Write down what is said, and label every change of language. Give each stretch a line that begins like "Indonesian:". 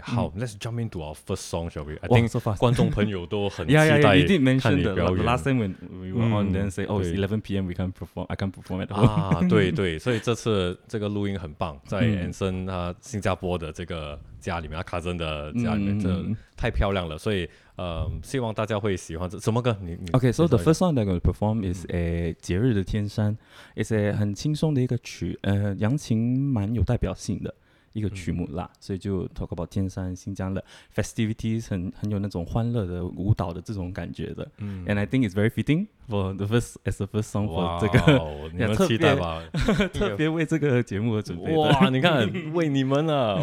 English: How let's jump into our first song, shall we? I think so far. You did mention the last time when we were on, then say, it's 11 p.m. We can't perform. I can't perform at home. So this time, this recording is very good. In Anson, Singapore's house, cousin, the house, it's too beautiful. So,
Chinese: 希望大家会喜欢这什么歌？你
English: OK? So the first song that I'm going to perform is a 节日的天山. It's a
Chinese: 很轻松的一个曲, 扬琴蛮有代表性的一个曲目啦. 所以就
English: talk about
Chinese: 天山, 新疆的 festivities, 很有那种欢乐的舞蹈的这种感觉的.
English: And I think it's very fitting for the first as the first song for
Chinese: 这个. 你们期待吧，特别为这个节目而准备的。哇， 你看， 为你们了。